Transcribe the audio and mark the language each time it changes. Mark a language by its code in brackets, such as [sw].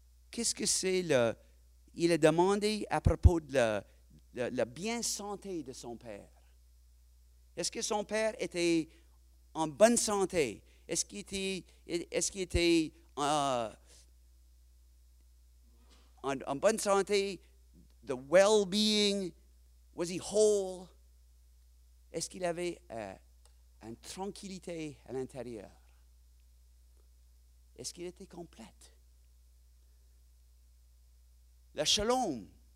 [fr] Qu'est-ce que c'est le... Il a demandé à propos de la bien santé de son père. Est-ce que son père était en bonne santé? Est-ce qu'il était en bonne santé? [en] The well-being, was he whole? [fr] Est-ce qu'il avait une tranquillité à l'intérieur? Est-ce qu'il était complète? La shalom.